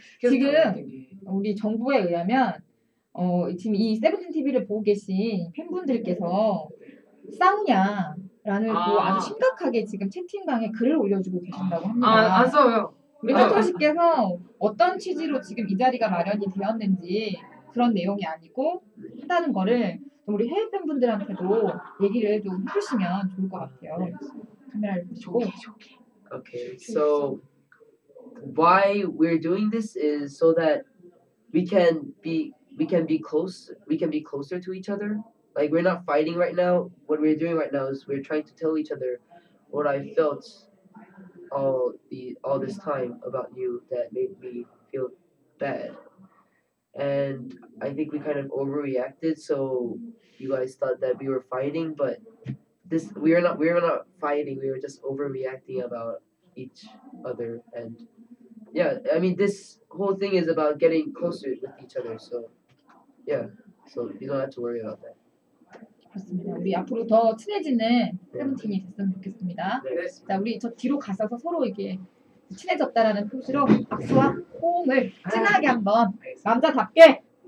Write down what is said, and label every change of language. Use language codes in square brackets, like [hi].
[ko] 지금 우리 정부에 의하면 지금 이 세븐틴TV를 보고 계신 팬분들께서 싸우냐 라는 아주 심각하게 지금 채팅방에 글을 올려주고 계신다고 합니다. 아, 안 써요. 우리 토토씨께서 어떤 취지로 지금 이 자리가 마련이 되었는지 그런 내용이 아니고 한다는 거를 우리 해외 팬분들한테도 얘기를 좀 해주시면 좋을 것 같아요. 카메라를 보시고. 오케이. [en] So why we're doing this is so that we can be closer to each other. Like we're not fighting right now. What we're doing right now is we're trying to tell each other what I felt. All this time about you that made me feel bad, and I think we kind of overreacted. So you guys thought that we were fighting, but we are not fighting. We were just overreacting about each other, and yeah, I mean this whole thing is about getting closer with each other. So yeah, so you don't have to worry about that. [ko] 그렇습니다. 우리 앞으로 더 친해지는 세븐틴이 됐으면 좋겠습니다. 네. 자, 우리 저 뒤로 가서 서로 이게 친해졌다라는 표시로 박수와 호응을 친하게 한번 남자답게.